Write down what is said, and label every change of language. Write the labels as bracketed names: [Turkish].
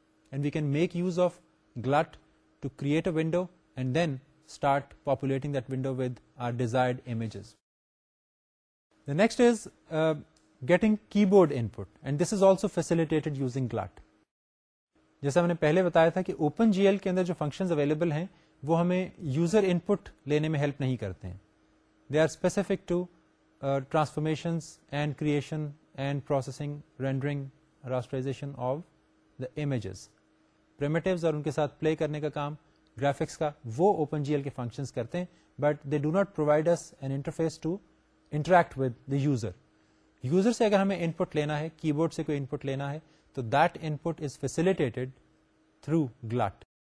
[English] And we can make use of GLUT to create a window and then start populating that window with our desired images. The next is getting keyboard input, and this is also facilitated using GLUT. [Urdu] جیسا ہم نے پہلے بتایا تھا کہ open جی L کے اندر جو فنکشنز اویلیبل ہیں وہ ہمیں یوزر ان پٹ لینے میں ہیلپ نہیں کرتے ہیں. [English] They are specific to transformations and creation and processing rendering rasterization of the images. [Urdu] پرمیٹیوز اور ان کے ساتھ پلے کرنے کا کام گرافکس کا وہ اوپن جی ایل کے فنکشنز کرتے ہیں, [English] But they do not provide us an interface to interact with the user. [Urdu] User سے اگر ہمیں ان پٹ لینا ہے, کی بورڈ سے کوئی ان پٹ لینا ہے, تو [English] That input is facilitated through GLUT.